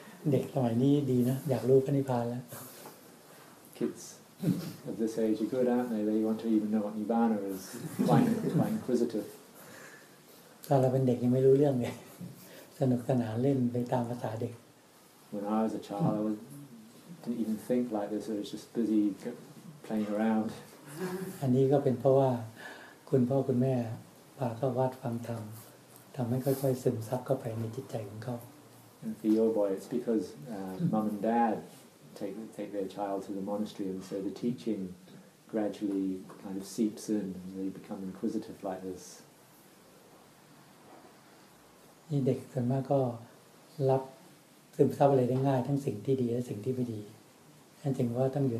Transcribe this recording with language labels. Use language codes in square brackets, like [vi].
[th] เด็กสมัยนี้ดีนะอยากรู้พระนิพพานแล้ว [en] Kids of this age are good, aren't they? They want to even know what Nibbana is. Quite inquisitive. [th] ตอนเราเป็นเด็กยังไม่รู้เรื่องเลยสนุกสนานเล่นไปตามภาษาเด็ก [en] When I was a child, I didn't even think like this. I was just busy playing around. [th] อันนี้ก็เป็นเพราะว่าคุณพ่อคุณแม่พาเข้าวัดฟังธรรมทำให้ค่อยๆซึมซับเข้าไปในจิตใจของเขา [en] And for your boy, it's because mum and dad take their child to the monastery, and so the teaching gradually kind of seeps in, and they become inquisitive like this. The kids, for the most part, grab, soak up anything easily, both things that are good and things that are not good.